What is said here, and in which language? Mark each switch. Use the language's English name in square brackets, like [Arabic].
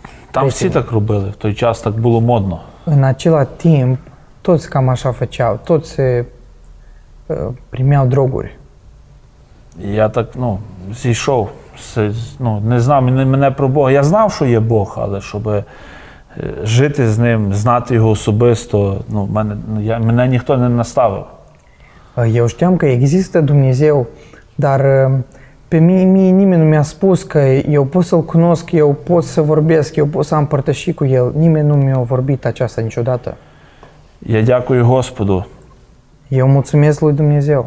[Ukrainian] Там всі так робили, в той час так було модно. [Romanian] În același timp, toți cam așa făceau, toți se primeau droguri. [Ukrainian] Я так, ну, зійшов, ну, не знав мене про Бога. Я знав, що є Бог, але щоб жити з ним, знати його особисто, ну, мене ніхто не наставив. [Romanian] Eu știam că există Dumnezeu, dar pe mine nimeni nu mi-a spus că eu pot să-L cunosc, eu pot să vorbesc, eu pot să am împărtășit cu El. Nimeni nu mi-a vorbit aceasta niciodată. [Ukrainian] Я дякую Господу. [Romanian] Eu mulțumesc lui Dumnezeu.